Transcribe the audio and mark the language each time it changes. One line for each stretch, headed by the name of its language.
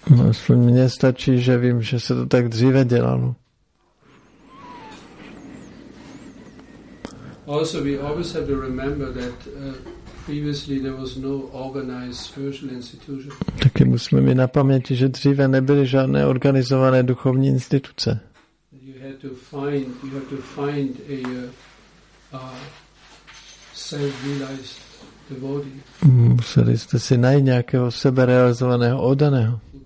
Czech: Aspoň mně stačí, že vím, že se to tak dříve dělalo.
English: Also, we always have to remember that previously there was no organized spiritual institution.
Czech: Taky musíme mít na paměti, že dříve nebyly žádné organizované duchovní instituce.
English: You have to find a self-realized devotee.
Czech: Museli jste si najít nějakého seberealizovaného oddaného.